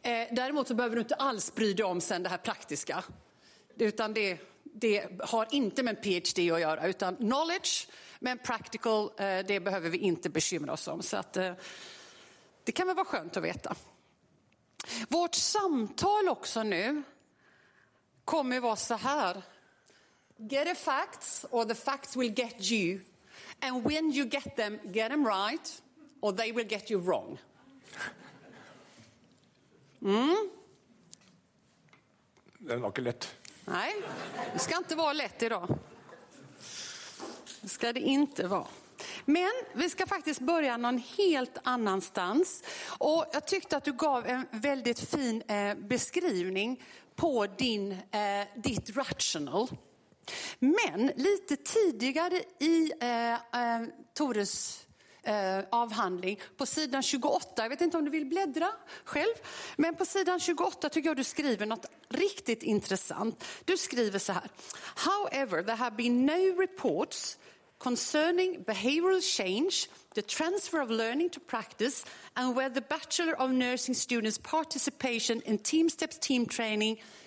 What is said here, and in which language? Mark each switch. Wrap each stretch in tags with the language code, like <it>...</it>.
<sv>Däremot så behöver du inte alls bry dig om sen det här praktiska. Utan det har inte med en PhD att göra, utan knowledge. Men practical, det behöver vi inte bekymra oss om. Så att... Det kan väl vara skönt att veta. Vårt samtal också nu kommer vara så här.</sv> <en>Get the facts or the facts will get you. And when you get them right or they will get you wrong. Mm.</en> <sv>Det var inte lätt. Nej, det ska inte vara lätt idag. Det ska det inte vara. Men vi ska faktiskt börja någon helt annanstans. Och jag tyckte att du gav en väldigt fin beskrivning på ditt rational. Men lite tidigare i Tores avhandling, på sidan 28, jag vet inte om du vill bläddra själv, men på sidan 28 tycker jag du skriver något riktigt intressant. Du skriver så här:</sv> <en>However, there have been no reports concerning behavioral change, the transfer of learning to practice, and whether the Bachelor of Nursing students' participation in Team Steps team training</en>